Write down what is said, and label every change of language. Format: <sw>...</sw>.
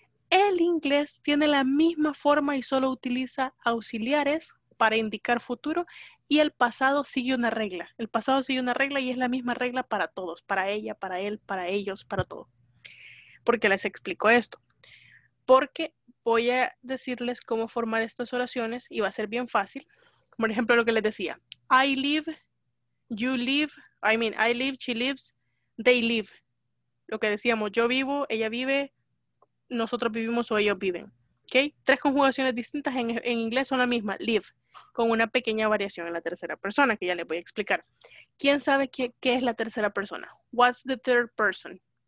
<es>El inglés tiene la misma forma y solo utiliza auxiliares para indicar futuro. Y el pasado sigue una regla. El pasado sigue una regla y es la misma regla para todos. Para ella, para él, para ellos, para todo. ¿Por qué les explico esto? Porque voy a decirles cómo formar estas oraciones y va a ser bien fácil. Por ejemplo, lo que les decía.</es> <en>I live, you live, I mean, I live, she lives, they live.</en> <es>Lo que decíamos, yo vivo, ella vive, nosotros vivimos o ellos viven. ¿Okay? Tres conjugaciones distintas en inglés son la misma, live, con una pequeña variación en la tercera persona, que ya les voy a explicar. ¿Quién sabe qué es la tercera persona?</es> <en>What's the third person?</en>